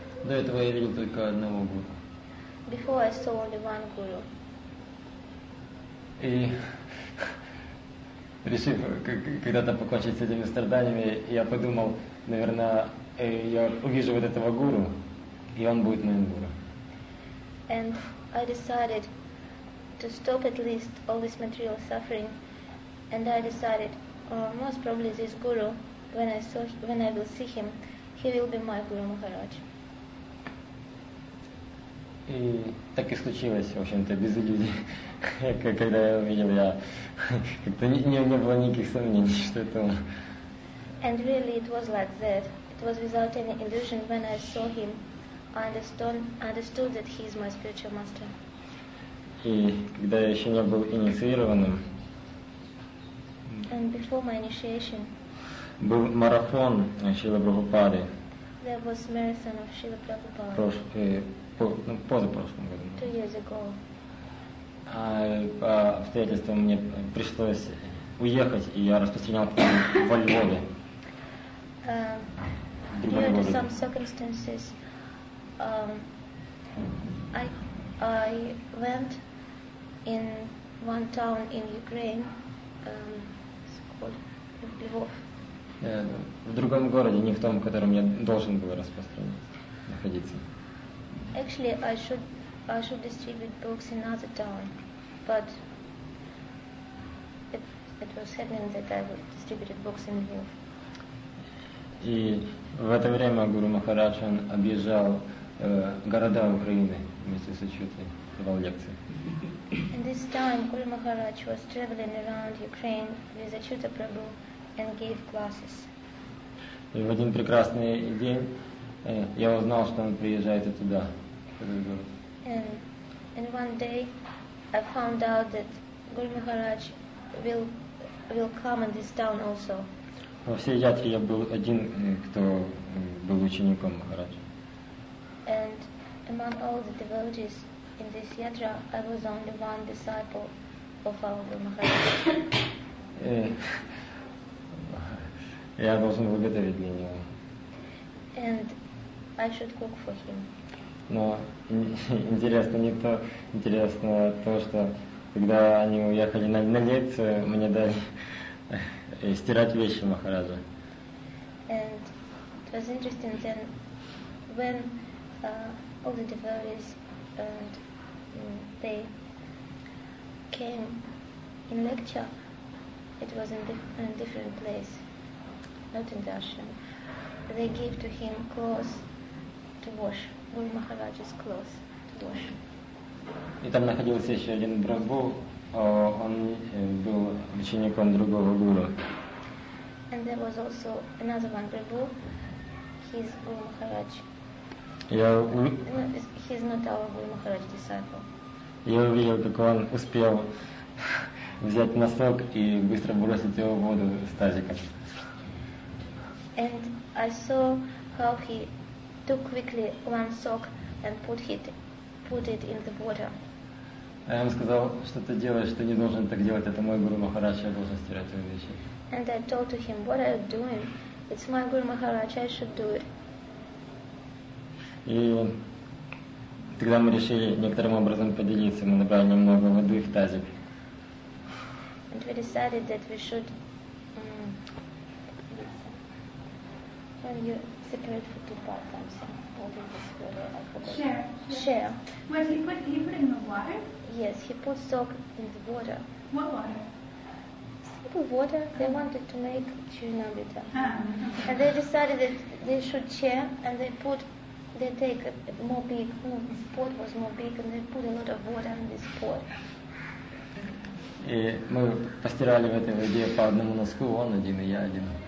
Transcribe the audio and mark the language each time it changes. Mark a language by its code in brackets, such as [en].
[ru] До этого я видел только одного гуру. [en] Before I saw only one guru. [ru] И решив когда-то покончить с этими страданиями, я подумал, наверное, я увижу вот этого гуру, и он будет моим гуру. [en] And I decided to stop at least all this material suffering, and I decided most probably this guru, when I will see him, he will be my guru Maharaj. [ru] И так и случилось, в общем-то, без иллюзий. Когда я увидел, я как-то не было никаких сомнений, что это он. [en] And really it was like that. It was without any illusion. When I saw him, I understood that he is my spiritual master. [ru] И когда я еще не был инициированным, [en] and before my initiation, [ru] был марафон Шрилы Прабхупады. [en] There was marathon of Shrila Prabhupada. [ru] Позапрошлом году. [en] 2 years ago. [ru] А по обстоятельствам мне пришлось уехать, и я распространял книгу во Львове. [en] Due to some circumstances, I went in one town in Ukraine. It's called Lvov. [ru] В другом городе, не в том, в котором я должен был распространяться, находиться. [en] Actually, I should distribute books in another town, but it was happening that I would distribute books in Lvov. [ru] И в это время Гуру Махарадж объезжал города Украины вместе с Ачютой, давал лекции. [en] And this time Guru Maharaj was traveling around Ukraine with Achyuta Prabhu and gave classes. [ru] И в один прекрасный день я узнал, что он приезжает туда, в этот город. [en] And one day I found out that Guru Maharaj will come in this town also. [ru] Во всей ятре я был один, кто был учеником Махараджа. [en] And among all the devotees in this yatra, I was only one disciple of our Guru Maharaj. [ru] Я должен выготовить для него. [en] And I should cook for him. [ru] Но интересно не то, интересно то, что когда они уехали на лекцию, мне дали и стирать вещи Махараджа. [en] And it was interesting then when all the devotees and they came in lecture, it was in a different place, not in the ashram. They gave to him clothes to wash, Guru Maharaj's clothes to wash. [ru] И там находился еще один Брабу, он был учеником другого гуру. [en] And there was also another one, Prabhu. He's Guru Maharaj. He's not our Guru Maharaj disciple. Я увидел, как он успел взять носок и быстро бросить его в воду с тазиком. And I saw how he took quickly one sock and put it in the water. А я ему сказал, что ты делаешь, ты не должен так делать, это мой Гуру Махарадж, я должен стирать твои вещи. And I told to him, what are you doing? It's my Guru Maharaj, I should do it. И тогда мы решили некоторым образом поделиться, мы набрали немного воды в тазик. And we decided that we should separate for two parts, I'm saying. Share. Was he put it in the water? Yes, he put soap in the water. What water? Simple water. They wanted to make churinamrita. And they decided that they should share, and they take a more big, pot was more big, and they put a lot of water in this pot. [ru] И мы постирали в этой воде по одному носку, он один и я один.